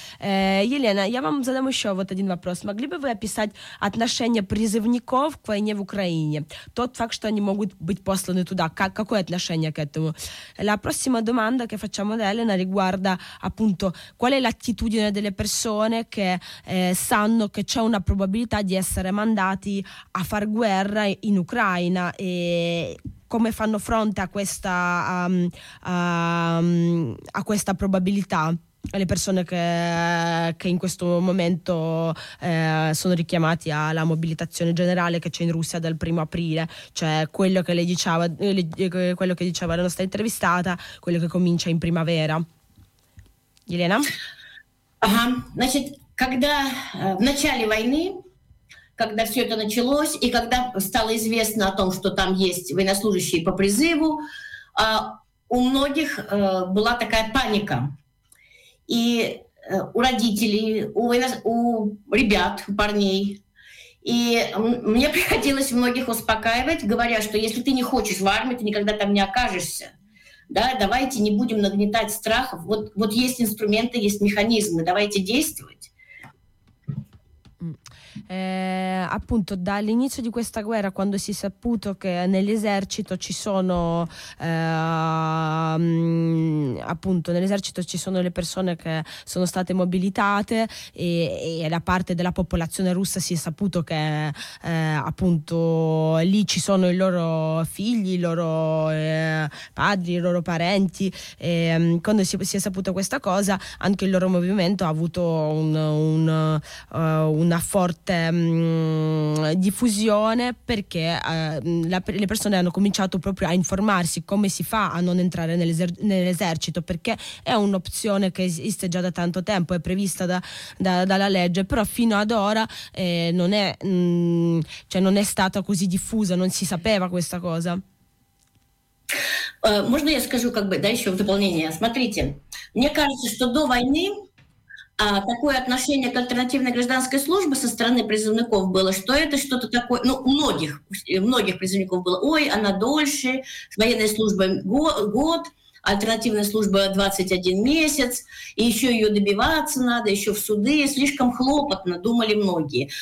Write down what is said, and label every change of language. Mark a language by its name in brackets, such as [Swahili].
[Russian] Елена, я вам задам еще вот один вопрос. Могли бы вы описать отношение призывников к войне в Украине? Тот факт, что они могут быть посланы туда, какое отношение к этому? [Italian] La prossima domanda che facciamo ad Elena riguarda appunto qual è l'attitudine delle persone che sanno che c'è una probabilità di essere mandati a far guerra in Ucraina e come fanno fronte a questa probabilità le persone che in questo momento sono richiamati alla mobilitazione generale che c'è in Russia dal 1° aprile, cioè quello che diceva la nostra intervistata, quello che comincia in primavera. [Russian] Елена? Значит, когда в начале войны, когда все это началось, и когда стало известно о том, что там есть военнослужащие по призыву, у многих была такая паника. И у родителей, у ребят, у парней. И мне приходилось многих успокаивать, говоря, что если ты не хочешь в армию, ты никогда там не окажешься. Да, давайте не будем нагнетать страхов. Вот есть инструменты, есть механизмы, давайте действовать. [Italian] Appunto, dall'inizio di questa guerra, quando si è saputo che nell'esercito ci sono appunto nell'esercito ci sono le persone che sono state mobilitate, e da parte della popolazione russa si è saputo che appunto lì ci sono i loro figli, i loro padri, i loro parenti, e quando si è saputo questa cosa, anche il loro movimento ha avuto una forte diffusione, perché le persone hanno cominciato proprio a informarsi come si fa a non entrare nell'esercito, perché è un'opzione che esiste già da tanto tempo, è prevista dalla legge, però fino ad ora non è stata così diffusa, non si sapeva questa cosa. [Russian] Можно я скажу, как бы, да, еще в дополнение. Смотрите, мне кажется, что до войны такое отношение к альтернативной гражданской службе со стороны призывников было, что это что-то такое, ну, многих призывников было, ой, она дольше, военная служба год, альтернативная служба 21 месяц, и еще ее добиваться надо, еще в суды, слишком хлопотно, думали многие.